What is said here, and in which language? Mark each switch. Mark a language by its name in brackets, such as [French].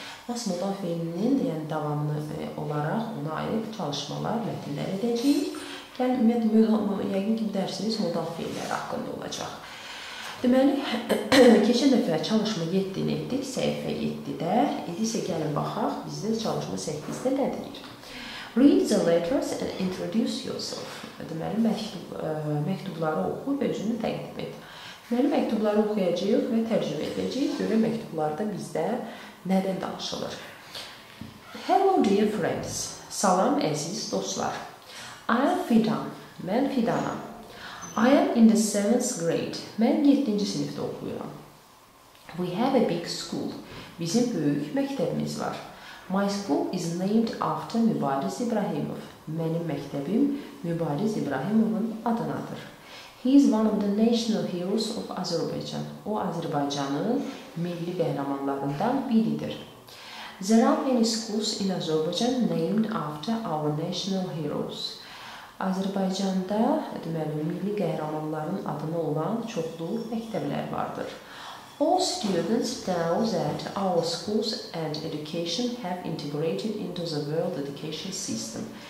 [Azerbaijani] Mas modal feilinin yəni, davamlı olaraq ona ayrıq çalışmalar, mətnlər edəcəyik. Gəlin, ümumiyyətlə, yəqin ki, dərsiniz modal feilləri haqqında olacaq. Deməli, keçən dəfə çalışma 7-ni etdik, səhifə 7-də. İndi isə gəlin baxaq, bizdə çalışma 8-də nə deyir? [English] Read the letters and introduce yourself. [Azerbaijani] Deməli, məktubları oxu və özünü təqdim et. Deməli, məktubları oxuyacaq və tərcümə edəcəyik. Görə məktublarda bizdə nədən danışılır? [English] Hello, dear friends. [Azerbaijani] Salam, əziz dostlar. [English] I am Fidan. [Azerbaijani] Mən Fidanam. [English] I am in the 7th grade. [Azerbaijani] Mən 7-ci sinifdə oxuyuram. [English] We have a big school. [Azerbaijani] Bizim böyük məktəbimiz var. [English] My school is named after Mübariz İbrahimov. [Azerbaijani] Mənim məktəbim Mübariz İbrahimovun adınadır. [English] He is one of the national heroes of Azerbaijan. [Azerbaijani] O, Azərbaycanın milli qəhrəmanlarından biridir. [English] There are many schools in Azerbaijan named after our national heroes. [Azerbaijani] Azərbaycanda deməli, milli qəhrəmanların adına olan çoxlu məktəblər vardır. [English] All students know that our schools and education have integrated into the world education system.